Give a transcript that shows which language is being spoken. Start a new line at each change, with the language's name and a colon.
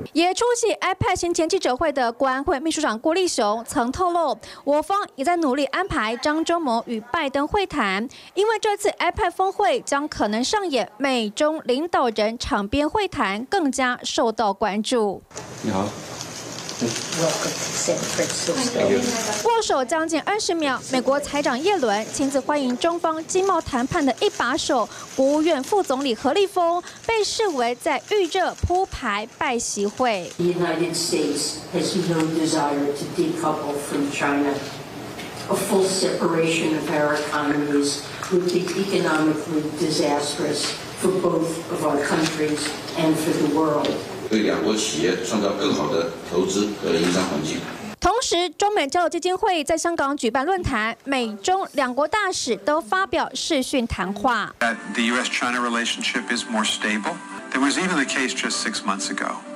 Chinese: 也出席 APEC 行前记者会的国安会秘书长郭立雄曾透露，我方也在努力安排张忠谋与拜登会谈，因为这次 APEC 峰会将可能上演美中领导人场边会谈，更加受到关注。你好。握手将近20秒，美国财长耶伦亲自欢迎中方经贸谈判的一把手国务院副总理何立峰，被视为在预热铺排拜习会。
English: The United States has no desire to decouple from China. A full separation of our economies would be economically disastrous for both of our countries and for the world.
Chinese: 对两国企业创造更好的投资和营商环境。同时，中美交流基金会在香港举办论坛，美中两国大使都发表视讯谈话。
English: The U.S.-China relationship is more stable. There was even the case just 6 months ago.